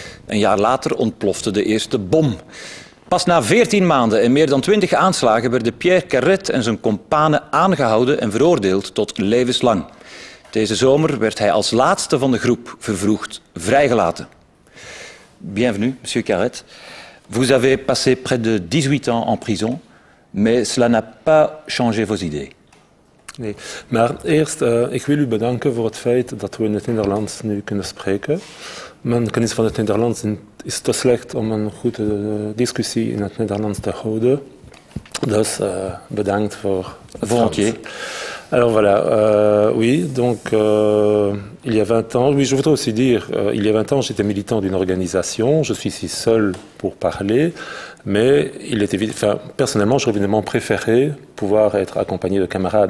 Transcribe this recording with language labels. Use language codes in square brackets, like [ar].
[nl] Een jaar later ontplofte de eerste bom. Pas na 14 maanden en meer dan 20 aanslagen werden Pierre Carret en zijn kompanen aangehouden en veroordeeld tot levenslang. Deze zomer werd hij als laatste van de groep vervroegd vrijgelaten. [fr] Bienvenue, monsieur Carret. Vous avez passé près de 18 ans en prison, mais cela n'a pas changé vos idées. [nl] Nee. Maar eerst, ik wil u bedanken voor het feit dat we in het Nederlands nu kunnen spreken. Mijn kennis van het Nederlands is te slecht om een goede discussie in het Nederlands te houden. Dus bedankt voor het [fr] volontiers. Alors voilà, il y a 20 ans, oui, je voudrais aussi dire, il y a 20 ans, j'étais militant d'une organisation, je suis ici seul pour parler, mais il était, enfin, personnellement, j'aurais évidemment préféré pouvoir être accompagné de camarades.